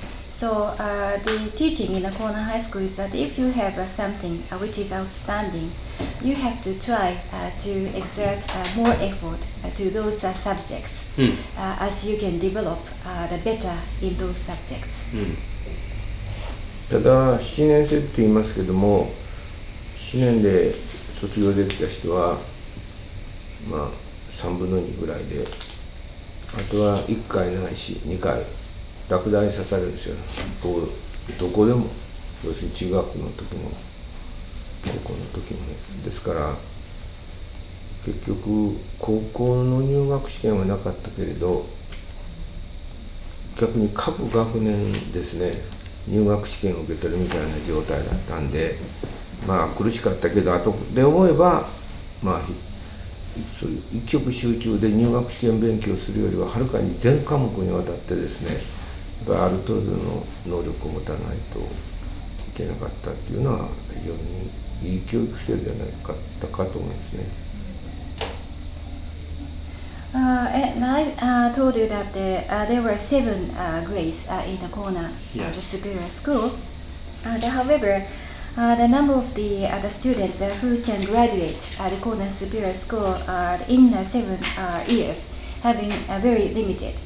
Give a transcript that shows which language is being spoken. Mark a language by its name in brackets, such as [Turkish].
[English] So the teaching in a corner high school is that if you have something which is outstanding, you have to try to exert more effort to those subjects as you can develop the better in those subjects. [Japanese] ただ7年生って言いますけども、7年で卒業できた人は、まあ、3分の2ぐらいで、あとは1回ないし2回落第させるんですよ。どこでも、要するに中学の時も高校の時も。ですから結局高校の入学試験はなかったけれど、逆に各学年ですね、入学試験を受けてるみたいな状態だったんで、まあ苦しかったけど、あとで思えば、まあそういう一極集中で入学試験勉強するよりははるかに全科目にわたってですね、ある程度の能力を持たないといけなかったっていうのは非常にいい教育制度じゃなかったかと思うんですね。 [English] I told you that there were seven grades in the corner of the superior school. However, the number of the students who can graduate at the corner superior school in the 7 years have been very limited.